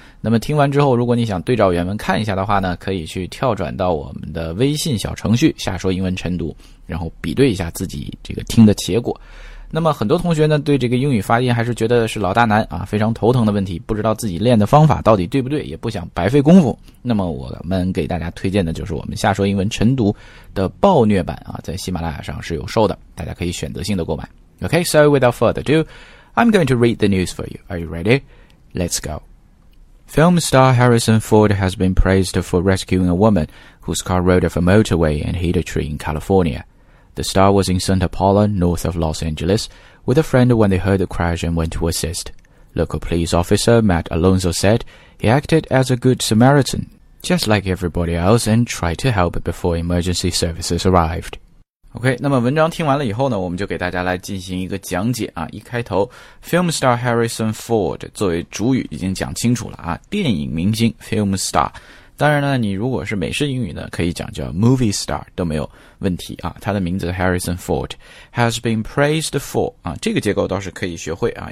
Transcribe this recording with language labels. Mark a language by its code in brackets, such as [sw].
[zh] 那么听完之后，如果你想对照原文看一下的话呢，可以去跳转到我们的微信小程序下说英文晨读，然后比对一下自己这个听的结果。那么很多同学呢，对这个英语发音还是觉得是老大难啊，非常头疼的问题，不知道自己练的方法到底对不对，也不想白费功夫。那么我们给大家推荐的就是我们下说英文晨读的暴虐版啊，在喜马拉雅上是有售的，大家可以选择性的购买。 [en] OK, so without further ado, I'm going to read the news for you. Are you ready? Let's go. Film star Harrison Ford has been praised for rescuing a woman whose car rolled off a motorway and hit a tree in California. The star was in Santa Paula, north of Los Angeles, with a friend when they heard the crash and went to assist. Local police officer Matt Alonso said he acted as a good Samaritan, just like everybody else, and tried to help before emergency services arrived. [zh] OK, 那么文章听完了以后呢，我们就给大家来进行一个讲解啊。一开头 ,film star Harrison Ford 作为主语已经讲清楚了啊，电影明星 ,film star。当然呢，你如果是美式英语呢，可以讲叫 movie star 都没有问题啊。他的名字 [en] Harrison Ford has been praised for [zh] 啊，这个结构倒是可以学会啊。